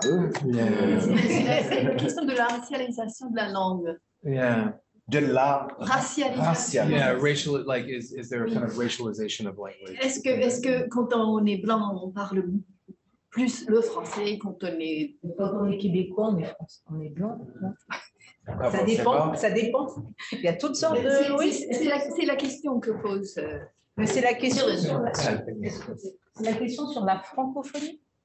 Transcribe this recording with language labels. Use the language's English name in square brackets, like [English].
[French] C'est la question de la racialisation de la langue. De la racialisation. [English] Is there a kind of racialization of language? [French] Est-ce que quand on est blanc, on parle plus le français quand on est... Quand on est québécois, on est français, on est blanc. Ah, ça dépend, ça dépend. Il y a toutes sortes de... c'est la question que pose... Mais c'est la question, c'est la question sur la francophonie.